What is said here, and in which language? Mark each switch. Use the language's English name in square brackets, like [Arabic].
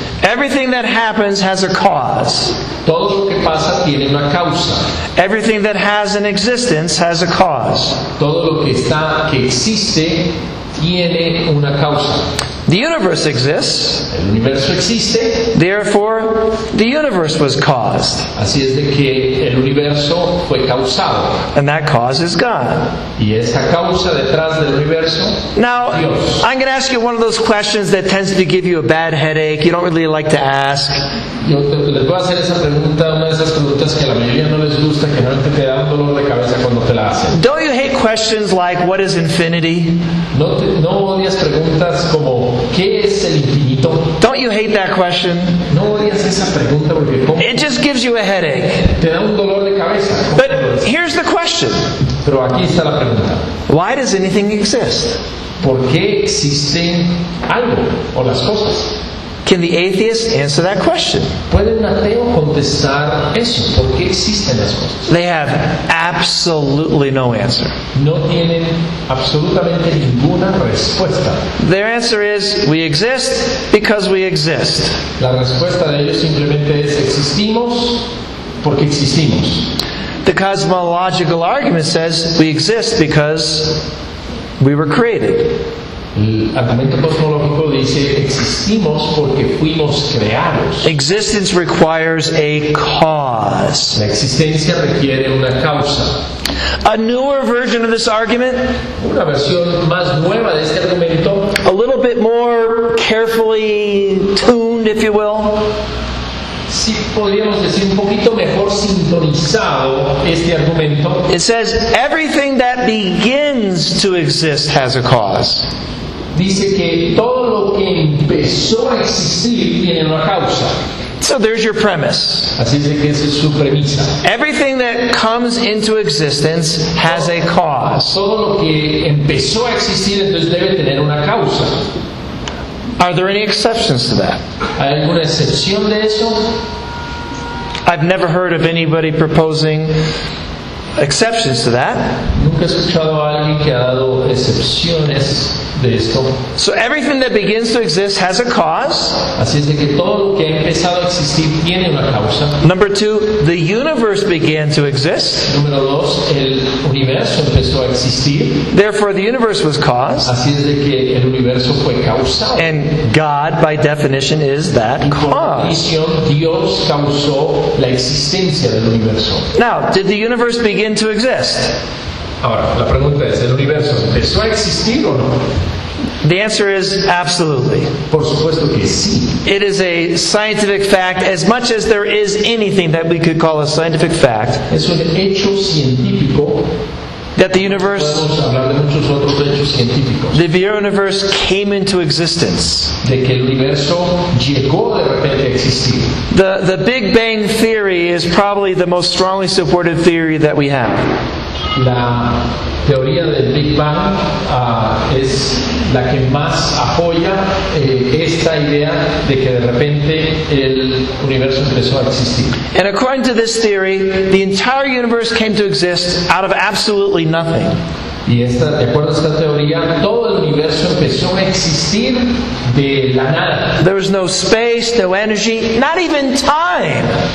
[English] Everything that happens has a cause. [Spanish] Todo lo que pasa tiene una causa. [English] Everything that has an existence has a cause. [Spanish] Todo lo que está, que existe, tiene una causa. [English] The universe exists. [Spanish] El universo existe. [English] Therefore, the universe was caused. [Spanish] Así es de que el universo fue causado. [English] And that cause is God. [Spanish] Y esa causa detrás del universo, [English] now, [Spanish] Dios. [English] I'm going to ask you one of those questions that tends to give you a bad headache. You don't really like to ask. [Spanish] Yo les voy a hacer esa pregunta, una de esas preguntas que a la mayoría no les gusta, que no te da dolor de cabeza cuando te la hacen. [English] Don't you hate questions like, what is infinity? [Spanish] No odias preguntas como, ¿qué es el infinito? [English] Don't you hate that question? [Spanish] No odias esa pregunta porque, ¿cómo? [English] It just gives you a headache. [Spanish] Te da un dolor de cabeza. [English] But here's the question. [Spanish] Pero aquí está la pregunta. [English] Why does anything exist? [Spanish] ¿Por qué existen algo o las cosas? [English] Can the atheist answer that question? [Spanish] ¿Puede un ateo contestar eso? ¿Por qué existen las cosas? [English] They have absolutely no answer. [Spanish] No tienen absolutamente ninguna respuesta. [English] Their answer is, we exist because we exist. [Spanish] La respuesta de ellos simplemente es, existimos porque existimos. [English] The cosmological argument says, we exist because we were created. [Spanish] El argumento cosmológico dice existimos porque fuimos creados. [English] Existence requires a cause. [Spanish] La existencia requiere una causa. [English] A newer version of this argument, [Spanish] una versión más nueva de este argumento, [English] a little bit more carefully tuned, if you will. [Spanish] Si podríamos decir un poquito mejor sintonizado este argumento. [English] It says everything that begins to exist has a cause. [Spanish] Dice que todo lo que empezó a existir tiene una causa. [English] So there's your premise. [Spanish] Así es que esa es su premisa. [English] Everything that comes into existence has a cause. [Spanish] Todo lo que empezó a existir entonces debe tener una causa. [English] Are there any exceptions to that? [Spanish] ¿Hay alguna excepción de eso? [English] I've never heard of anybody proposing exceptions to that. [Spanish] Nunca he escuchado a alguien que ha dado excepciones. [English] So everything that begins to exist has a cause. [Spanish] Así es de que todo lo que ha empezado a existir tiene una causa. [English] Number two, the universe began to exist. [Spanish] Número dos, el universo empezó a existir. [English] Therefore, the universe was caused. [Spanish] Así es de que el universo fue causado. [English] And God, by definition, is that cause. [Spanish] Y por definición, Dios causó la existencia del universo. [English] Now, did the universe begin to exist? [Spanish] Ahora, la pregunta es, ¿el universo empezó a existir o no? [English] The answer is absolutely. [Spanish] Por supuesto que sí. [English] It is a scientific fact as much as there is anything that we could call a scientific fact. [Spanish] Es un hecho científico. [English] That the universe, [Spanish] podemos hablar de muchos otros hechos científicos. [English] The universe came into existence. [Spanish] De que el universo llegó de repente a existir. [English] The Big Bang theory is probably the most strongly supported theory that we have. [Spanish] la teoría del Big Bang es la que más apoya esta idea de que de repente el universo empezó a existir. [English] And according to this theory, the entire universe came to exist out of absolutely nothing. [Spanish] Y esta, de acuerdo a esta teoría, todo el universo empezó a existir de la nada. [English] There was no space, no energy, not even time.